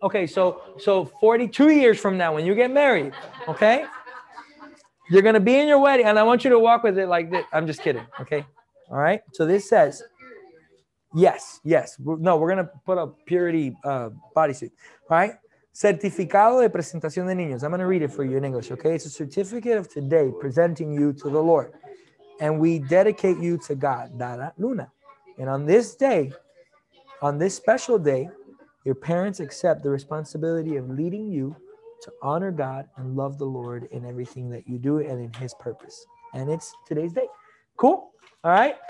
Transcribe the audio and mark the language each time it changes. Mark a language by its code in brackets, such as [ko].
[en] Okay, so 42 years from now, when you get married, okay, you're going to be in your wedding, and I want you to walk with it like this. I'm just kidding, okay? All right? So this says, yes, yes. No, we're going to put a purity bodysuit, all right? [es] Certificado de presentación de niños. [en] I'm going to read it for you in English, okay? It's a certificate of today presenting you to the Lord, and we dedicate you to God, Dara Luna. And on this day, on this special day, your parents accept the responsibility of leading you to honor God and love the Lord in everything that you do and in his purpose. And it's today's day. Cool? All right?